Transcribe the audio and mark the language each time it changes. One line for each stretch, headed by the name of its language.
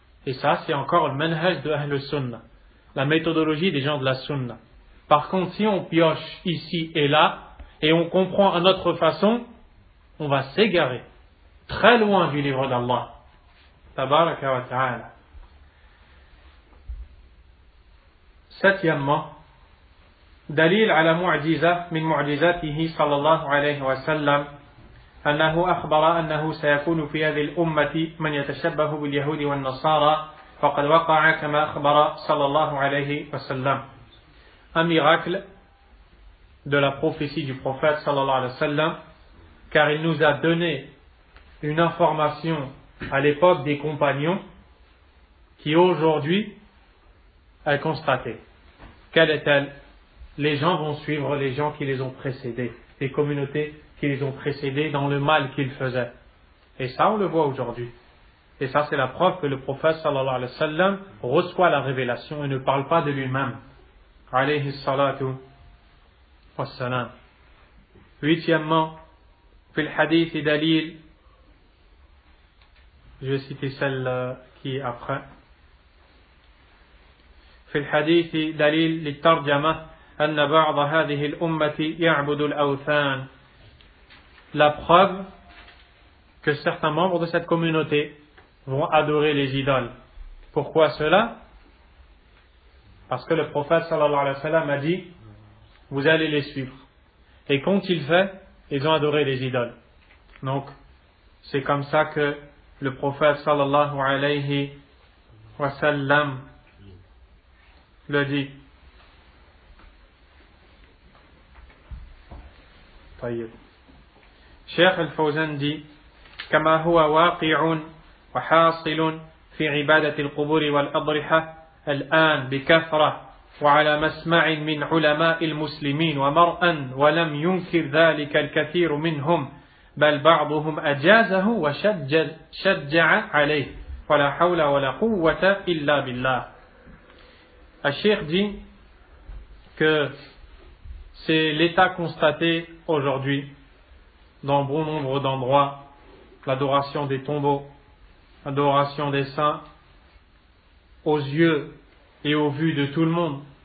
French: Et ça, c'est encore le manhaj de Ahl Sunnah, la méthodologie des gens de la Sunnah. Par contre, si on pioche ici et là, et on comprend à notre façon, on va s'égarer très loin du livre d'Allah. Tabaraka wa ta'ala. Septièmement,
Arabic: دليل على معجزة من معجزاته صلى الله عليه وسلم أنه أخبر أنه سيكون في هذه الأمة من يتشبه باليهود والنصارى فقد وقع كما أخبر صلى الله عليه وسلم.
French: Un miracle de la prophétie du prophète
Arabic: صلى الله عليه وسلم,
French: car il nous a donné une information à l'époque des compagnons qui aujourd'hui est constatée. Quelle est-elle? Les gens vont suivre les gens qui les ont précédés, les communautés qui les ont précédés dans le mal qu'ils faisaient. Et ça, on le voit aujourd'hui. Et ça, c'est la preuve que le prophète, sallallahu alayhi wa sallam, reçoit la révélation et ne parle pas de lui-même. Alayhi salatu wa salam. Huitièmement, fil hadith et dalil, je vais citer celle qui est après. Fil hadith et dalil, l'itarjama,
Arabic: أن بعض هذه الأمة يعبد الأوثان.
French: La preuve que certains membres de cette communauté vont adorer les idoles. Pourquoi cela? Parce que le prophète sallallahu alayhi wa sallam a dit, vous allez les suivre. Et qu'ont-ils fait? Ils ont adoré les idoles. Donc, c'est comme ça que le prophète sallallahu alayhi wa sallam le dit.
Arabic: شيخ الفوزان دي كما هو واقع وحاصل في عبادة القبور والأضرحة الآن بكثرة وعلى مسمع من علماء المسلمين ومرأة ولم ينكر ذلك الكثير منهم بل بعضهم أجازه وشجع عليه ولا حول ولا قوة إلا بالله. الشيخ دي ك
French: C'est l'état constaté aujourd'hui, dans bon nombre d'endroits, l'adoration des tombeaux, l'adoration des saints, aux yeux et aux vues de tout le monde.